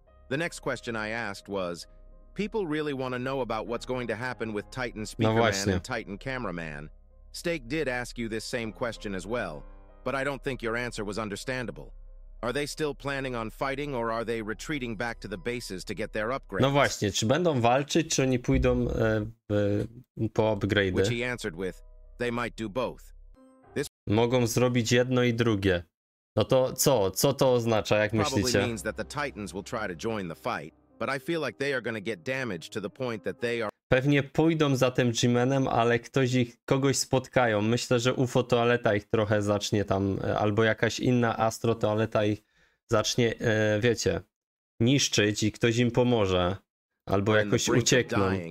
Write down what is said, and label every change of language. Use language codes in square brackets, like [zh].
[en] The next question I asked was, people really want to know about what's going to happen with Titan Speaker Man and Titan Cameraman. Stake did ask you this same question as well, but I don't think your answer was understandable. Are they still planning on fighting, or are they retreating back to the bases to get their upgrades? [pl] No właśnie, czy będą walczyć, czy oni pójdą po upgrade'y? [en] Which he answered with, they might do both. This... [pl] Mogą zrobić jedno i drugie. No to co? Co to oznacza, jak myślicie? [en] Probably means that the Titans will try to join the fight. But I feel like they are going to get damaged to the point that they are... [pl] Pewnie pójdą za tym G-Manem, ale kogoś spotkają. Myślę, że UFO Toaleta ich trochę zacznie tam, albo jakaś inna Astro Toaleta ich zacznie, wiecie, niszczyć i ktoś im pomoże. Albo jakoś uciekną.